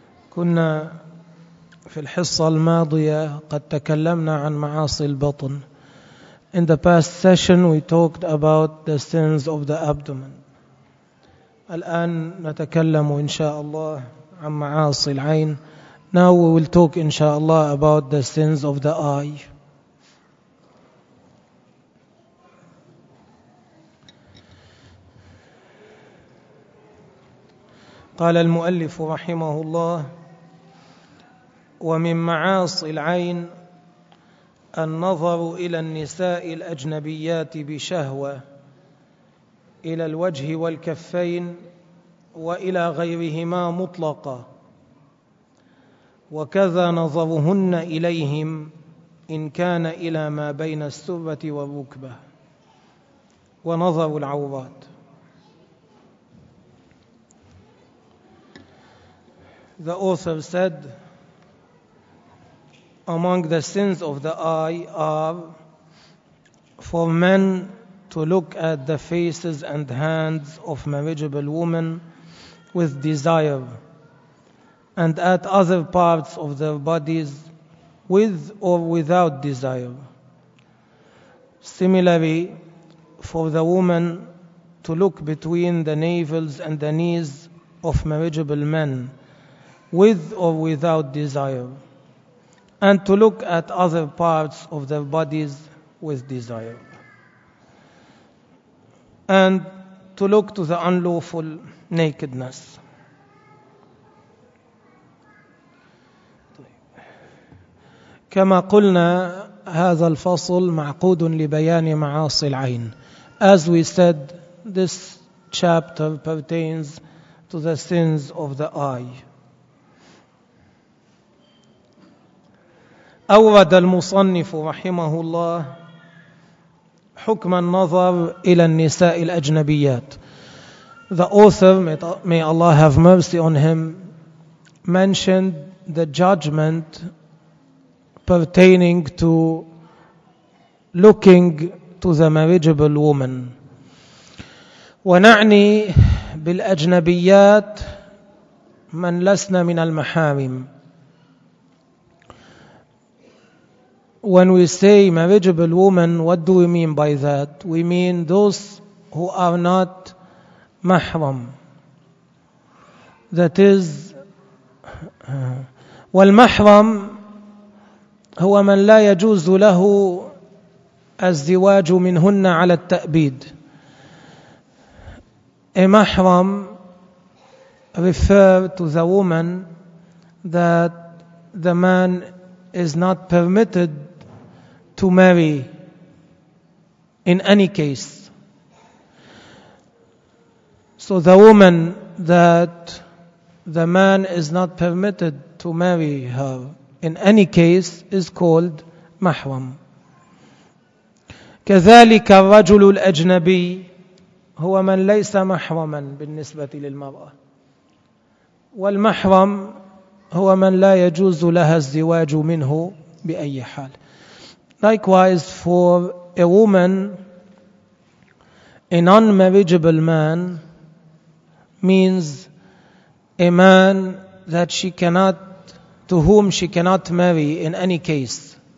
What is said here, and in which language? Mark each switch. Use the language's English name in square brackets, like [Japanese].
[Arabic] كنا في الحصة الماضية قد تكلمنا عن معاصي البطن. [English] In the past session we talked about the sins of the abdomen. [Arabic] الآن نتكلم إن شاء الله عن معاصي العين. [English] Now we will talk [Arabic] إن شاء الله [English] about the sins of the eye. [Arabic] قال المؤلف رحمه الله ومن معاصي العين النظر إلى النساء الأجنبيات بشهوة إلى الوجه والكفين وإلى غيرهما مطلقة وكذا نظرهن إليهم إن كان إلى ما بين السرة والركبة ونظر العورات. [English] The author said, among the sins of the eye are for men to look at the faces and hands of marriageable women with desire and at other parts of their bodies with or without desire. Similarly, for the woman to look between the navels and the knees of marriageable men with or without desire, and to look at other parts of their bodies with desire, and to look to the unlawful nakedness. [Arabic] كما قلنا هذا الفصل معقود لبيان معاصي العين. [English] As we said, this chapter pertains to the sins of the eye. [Arabic] أورد المصنف رحمه الله حكم النظر إلى النساء الأجنبيات. [English] The author, may Allah have mercy on him, mentioned the judgment pertaining to looking to the marriageable woman. [Arabic] ونعني بالأجنبيات من لسنا من المحارم. [English] When we say marriageable woman, what do we mean by that? We mean those who are not mahram. That is, [Arabic] والمحرم هو من لا يجوز له الزواج منهن على التأبيد. [English] A mahram refer to the woman that the man is not permitted to marry in any case. So the woman that the man is not permitted to marry her in any case is called mahram. [Arabic] كذلك الرجل الأجنبي هو من ليس محرما بالنسبة للمرأة. والمحرم هو من لا يجوز لها الزواج منه بأي حال. [English] Likewise, for a woman, a non-marriageable man means a man that she cannot, to whom she cannot marry in any case.